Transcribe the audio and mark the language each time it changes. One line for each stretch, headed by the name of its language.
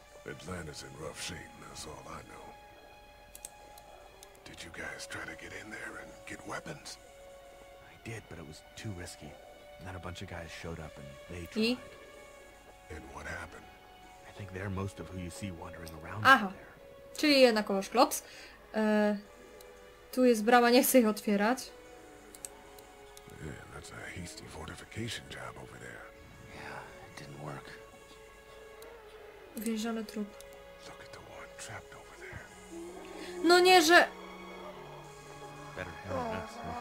English: Atlanta's in rough shape, that's all I know. Did you guys try to get in there and get weapons? I did, but it was too risky. And then a bunch of guys showed up and they tried. And what happened? I think they're most of who you see wandering around. Aha.
Polish: Czyli jednakowoż klops. Tu jest brama, nie chcę ich otwierać.
English: Yeah, that's a hasty fortification job over there. Yeah, it didn't work.
Polish: Uwięziony trup.
English: Look at the one trapped over there.
Polish: No nie, że...
English: Better help us.